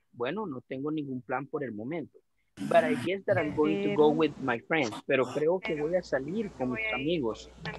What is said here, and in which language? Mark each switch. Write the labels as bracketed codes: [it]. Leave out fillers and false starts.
[es] Bueno, no tengo ningún plan por el momento. [en] But I guess that I'm going to go with my friends. [es] Pero creo que voy a salir con mis amigos.